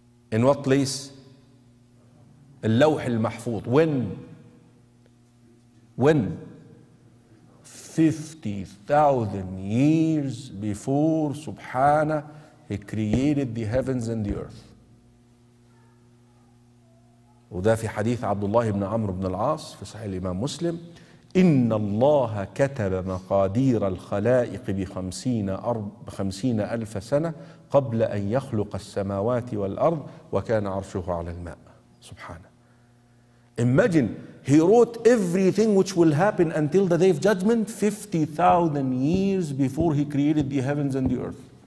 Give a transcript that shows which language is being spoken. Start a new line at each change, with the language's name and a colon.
English: In what place? اللوح المحفوظ. When? 50,000 years before Subhana, he created the heavens and the earth.
Arabic: وده في حديث عبد الله بن عمرو بن العاص في صحيح الإمام مسلم. إن الله كتب مقادير الخلائق بخمسين ألف سنة قبل أن يخلق السماوات والأرض وكان عرشه على الماء. سبحانه.
English: Imagine, he wrote everything which will happen until the day of judgment 50,000 years before he created the heavens and the earth.